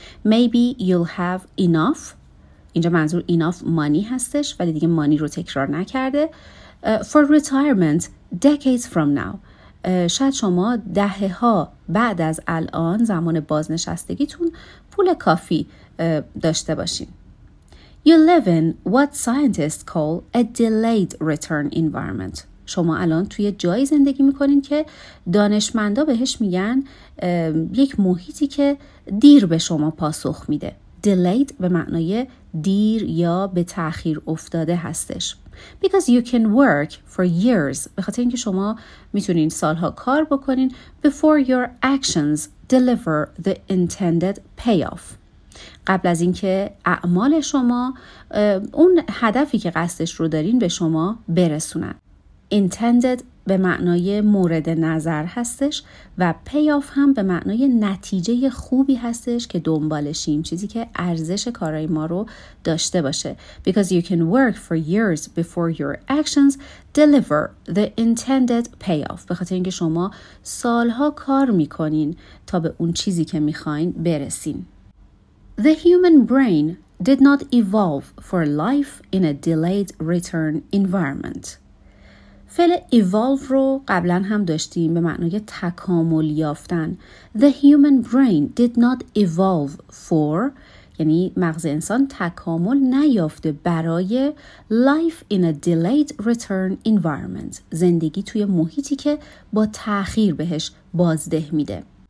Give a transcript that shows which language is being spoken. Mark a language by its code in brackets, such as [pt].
[en] Maybe you'll have enough، [fa] اینجا منظور enough money هستش، ولی دیگه money رو تکرار نکرده. [en] For retirement decades from now، [fa] شاید شما دهه ها بعد از الان زمان بازنشستگیتون پول کافی داشته باشین. [en] You live in what scientists call a delayed return environment. [fa] شما الان توی جایی زندگی میکنین که دانشمندا بهش میگن یک محیطی که دیر به شما پاسخ میده. Delayed به معنای دیر یا به تأخیر افتاده هستش. [en] Because you can work for years، [fa] به خاطر اینکه شما میتونین سالها کار بکنین، [en] before your actions deliver the intended payoff، [fa] قبل از اینکه اعمال شما اون هدفی که قصدش رو دارین به شما برسونن. Intended به معنای مورد نظر هستش و payoff هم به معنای نتیجه خوبی هستش که دنبالشیم، چیزی که ارزش کارهای ما رو داشته باشه. [en] Because you can work for years before your actions deliver the intended payoff، [fa] به خاطر اینکه شما سالها کار میکنین تا به اون چیزی که میخواین برسین. [en] The human brain did not evolve for life in a delayed return environment. [fa] فعل evolve رو قبلا هم داشتیم به معنای تکامل یافتن. [en] The human brain did not evolve for، [fa] یعنی مغز انسان تکامل نیافته برای، [en] life in a delayed return environment، [fa] زندگی توی محیطی که با تأخیر بهش بازده میده.